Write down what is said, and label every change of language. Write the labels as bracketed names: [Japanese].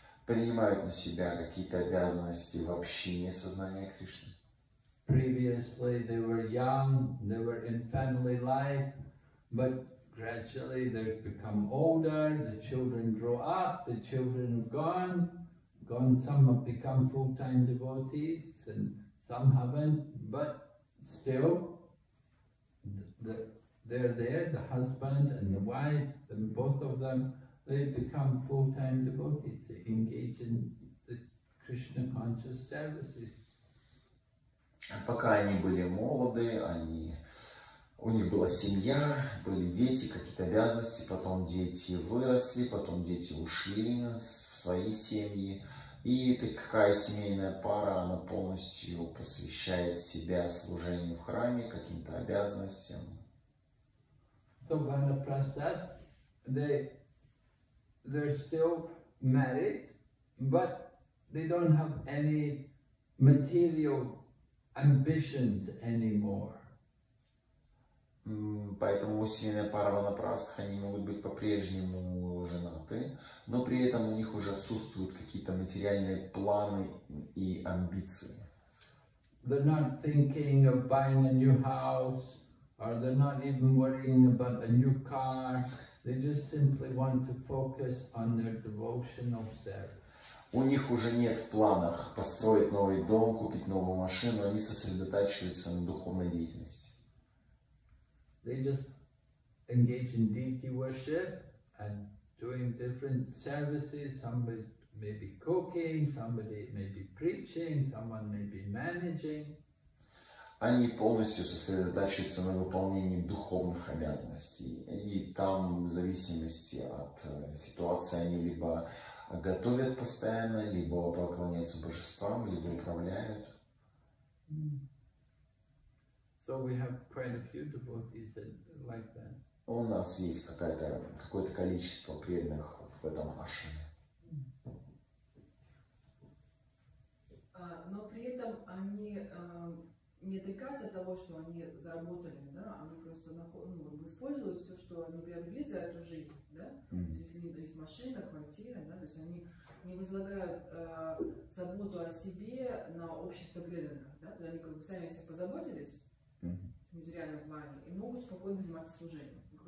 [Russian] Принимают на себя какие-то обязанности в общине сознания Кришны. [English] Previously they were young, they were in family life, but gradually they become older, the children grow up, the children have gone, some have become full-time devotees and some haven't, but still they're there, the husband and the wife, and both of them, they become full-time devotees, they engage in the Krishna conscious services. [Russian] Пока они были молоды, у них была семья, были дети, какие-то обязанности, потом дети выросли, потом дети ушли в свои семьи. И такая семейная пара, она полностью посвящает себя служению в храме, каким-то обязанностям. [English] So, vanaprasthas, they're still married, but they don't have any material ambitions anymore. [Russian] Поэтому семейная пара ванапрастх, они могут быть по-прежнему женаты, но при этом у них уже отсутствуют какие-то материальные планы и амбиции. [English] They're not thinking of buying a new house, or they're not even worrying about a new car. They just simply want to focus on their devotional service. [Russian] У них уже нет в планах построить новый дом, купить новую машину. Они сосредотачиваются на духовной деятельности. [English] They just engage in deity worship and doing different services. Somebody may be cooking, somebody may be preaching, someone may be managing. [Russian] Они полностью сосредотачиваются на выполнении духовных обязанностей. И там, в зависимости от ситуации, они либо готовят постоянно, либо поклоняются божествам, либо управляют. [English] So we have quite a few devotees like that. [Russian] У нас есть какое-то количество преданных в этом ашраме. Но при этом они... не отрекать от того, что они заработали, да, они просто используют все, что они приобрели за эту жизнь, да, то есть если у них есть машина, квартира, да, то есть они не возлагают заботу о себе на общество преданных, да, то есть они как бы сами о себе позаботились в материальном плане и могут спокойно заниматься служением.